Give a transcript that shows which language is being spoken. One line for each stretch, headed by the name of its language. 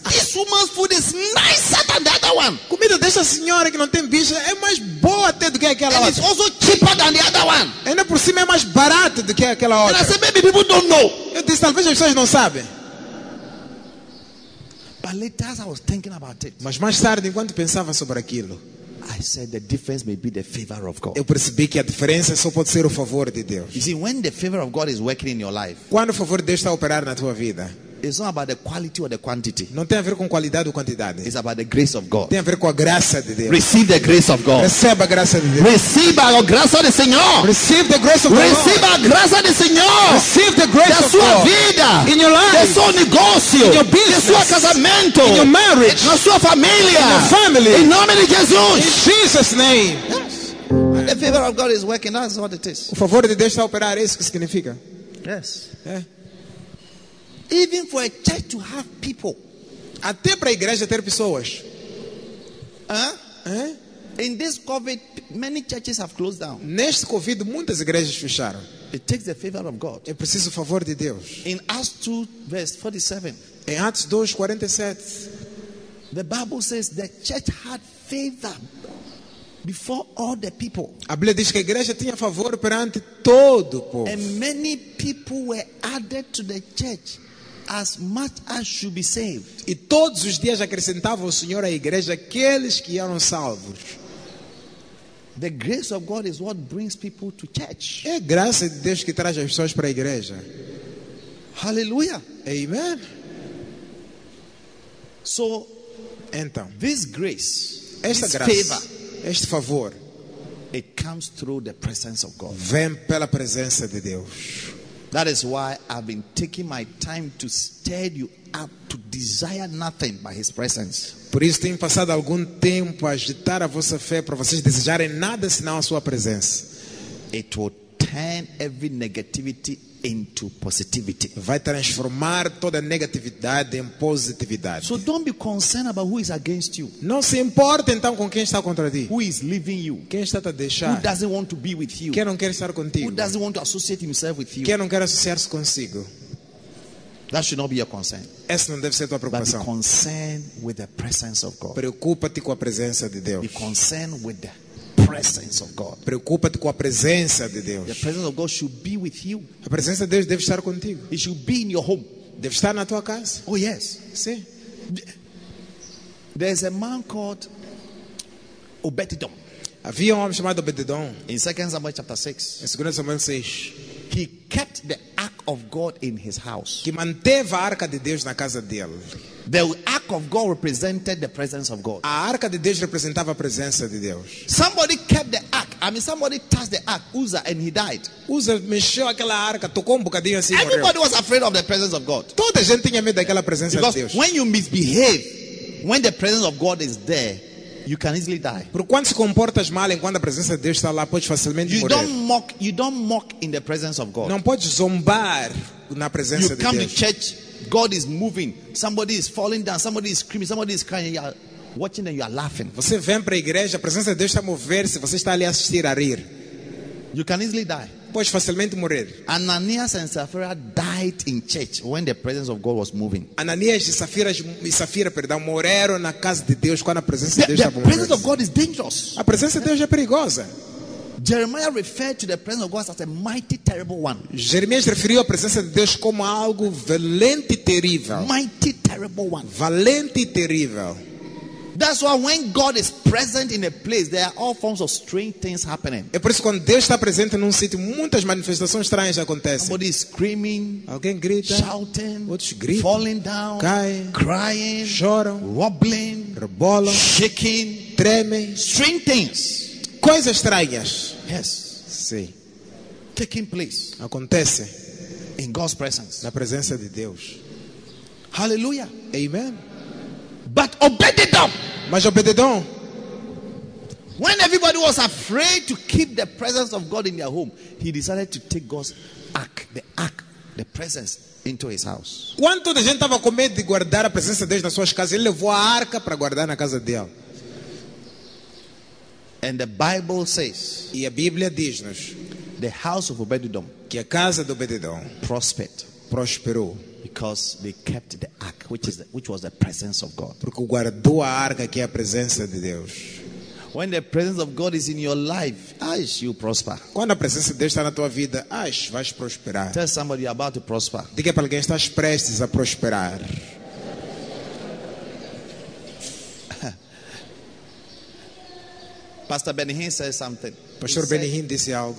English: this woman's food is nicer than the other one.
Portuguese: Comida desta senhora que não tem bicho é mais boa até do que aquela
English: and
Portuguese: outra.
English: It's also cheaper than the other one.
Portuguese: Ainda por cima é mais barato do que aquela outra.
English: And I said, maybe people don't know.
Portuguese: Eu disse, talvez as pessoas não sabem.
English: But later, as I was thinking about it,
Portuguese: mas mais tarde, enquanto pensava sobre aquilo,
English: I said the difference may be the favor of God.
Portuguese: Eu percebi que a diferença só pode ser o favor de Deus.
English: You see, when the favor of God is working in your life,
Portuguese: quando o favor de Deus está a operar na tua vida,
English: it's not about the quality or the quantity.
Portuguese: Não tem a ver com qualidade ou quantidade.
English: It's about the grace of God.
Portuguese: Tem a ver com a graça de Deus.
English: Receive the grace of God.
Portuguese: Receba a graça de Deus.
English: Receive
Portuguese: a graça do Senhor.
English: Receive the grace of God.
Portuguese: Receba a graça do Senhor.
English: Receive the grace
Portuguese: da
English: of God.
Portuguese: Sua vida.
English: In your life.
Portuguese: Da seu negócio.
English: In your business.
Portuguese: Da sua casamento.
English: In your marriage.
Portuguese: Na sua família.
English: In your family.
Portuguese: Em nome de Jesus.
English: In Jesus' name. Yes. The favor of God is working. That's what it is.
Portuguese: O favor de Deus está a operar. Isso que significa.
English: Yes. Even for a church to have people.
Portuguese: Até para a igreja ter pessoas.
English: In this COVID, many churches have closed down.
Portuguese: Neste COVID, muitas igrejas fecharam.
English: It takes the favor of God.
Portuguese: É preciso o favor de Deus.
English: In Acts 2, verse 47.
Portuguese: Em Atos 2, 47.
English: The Bible says the church had favor before all the people.
Portuguese: A Bíblia diz que a igreja tinha favor perante todo o povo.
English: And many people were added to the church. As much as should be saved.
Portuguese: E todos os dias acrescentava o Senhor à igreja aqueles que eram salvos.
English: The grace of God is what brings people to church.
Portuguese: É a graça de Deus que traz as pessoas para a igreja. Hallelujah. Amen.
English: So,
Portuguese: então,
English: this grace,
Portuguese: esta
English: this
Portuguese: graça,
English: favor,
Portuguese: este favor,
English: it comes through the presence of God.
Portuguese: Vem pela presença de Deus.
English: That is why I've been taking my time to stir you up to desire nothing by His presence.
Portuguese: Por isso tenho passado algum tempo a agitar a vossa fé para vocês desejarem nada senão a sua presença.
English: It will turn every negativity into positivity.
Portuguese: Vai transformar toda a negatividade em positividade.
English: So don't be concerned about who is against you.
Portuguese: Não se importe então com quem está contra ti.
English: Who is leaving you?
Portuguese: Quem está a deixar?
English: Who doesn't want to be with you?
Portuguese: Quem não quer estar contigo?
English: Who doesn't want to associate himself with you?
Portuguese: Quem não quer associar-se consigo?
English: That should not be your concern.
Portuguese: Essa não deve ser a tua preocupação.
English: But be concerned with the presence of God.
Portuguese: Preocupa-te com a presença de Deus.
English: Be concerned with the presence of God.
Portuguese: Preocupa-te com a presença de Deus.
English: The presence of God should be with you.
Portuguese: A presença de Deus deve estar contigo.
English: It should be in your home.
Portuguese: Deve estar na tua casa.
English: Oh yes.
Portuguese: Sim.
English: There's a man called Obed-Edom.
Portuguese: Havia um homem chamado Obed-Edom.
English: In 2 Samuel chapter 6.
Portuguese: Em 2 Samuel 6.
English: He kept the ark of God in his house.
Portuguese: Que manteve a arca de Deus na casa dele.
English: The ark of God represented the presence of God.
Portuguese: A arca de Deus representava a presença de Deus.
English: Somebody kept the ark. I mean, somebody touched the ark, Uzzah, and he died.
Portuguese: Uzzah mexeu aquela arca, tocou bocadinho assim.
English: Everybody
Portuguese: morreu.
English: Was afraid of the presence of God.
Portuguese: Toda a gente tinha medo daquela presença
English: because
Portuguese: de Deus.
English: When you misbehave, when the presence of God is there, you can easily die.
Portuguese: Por quando se comportas mal enquanto a presença de Deus está lá, podes facilmente
English: you
Portuguese: morrer.
English: You don't mock in the presence of God.
Portuguese: Não podes zombar na presença
English: you
Portuguese: de Deus.
English: You come to church. God is moving. Somebody is falling down. Somebody is screaming. Somebody is crying. You are watching and you are laughing.
Portuguese: Você vem para a igreja, a presença de Deus está a mover-se. Você está ali a assistir a rir.
English: You can easily die.
Portuguese: Pode facilmente morrer.
English: Ananias and Sapphira died in church when the presence of God was moving.
Portuguese: Ananias e Sapphira, perdão, morreram na casa de Deus quando a presença de Deus estava movendo.
English: The presence of God is dangerous.
Portuguese: A presença de Deus é perigosa.
English: Jeremiah referred to the presence of God as a mighty, terrible one.
Portuguese: Jeremias referiu a presença de Deus como algo valente e terrível.
English: Mighty, terrible one.
Portuguese: Valente e terrível.
English: That's why when God is present in a place, there are all forms of strange things happening.
Portuguese: É por isso que quando Deus está presente num sítio, muitas manifestações estranhas acontecem.
English: Somebody is screaming.
Portuguese: Alguém grita.
English: Shouting.
Portuguese: Outros gritam.
English: Falling down.
Portuguese: Caem.
English: Crying.
Portuguese: Choram.
English: Wobbling.
Portuguese: Rebolam.
English: Shaking.
Portuguese: Tremem.
English: Strange things.
Portuguese: Coisas estranhas.
English: Yes.
Portuguese: Sim.
English: Taking place.
Portuguese: Acontece.
English: In God's presence.
Portuguese: Na presença de Deus. Hallelujah. Amen.
English: But Obed-Edom.
Portuguese: Mas Obed-Edom.
English: When everybody was afraid to keep the presence of God in their home, he decided to take God's ark, the presence, into his house.
Portuguese: Quando toda a gente estava com medo de guardar a presença de Deus nas suas casas, ele levou a arca para guardar na casa dele.
English: And the Bible says,
Portuguese: e a Bíblia diz-nos,
English: the house of Obed-Edom,
Portuguese: que a casa de Obed-Edom prosperou.
English: Because they kept the ark, which was the presence of God.
Portuguese: Porque guardou a arca, que é a presença de Deus.
English: When the presence of God is in your life, you prosper.
Portuguese: Quando a presença de Deus está na tua vida, vais prosperar.
English: Tell somebody you're about to prosper.
Portuguese: Diga para alguém, estás prestes a prosperar.
English: Pastor Benihin says something.
Portuguese: Pastor Benihin disse algo.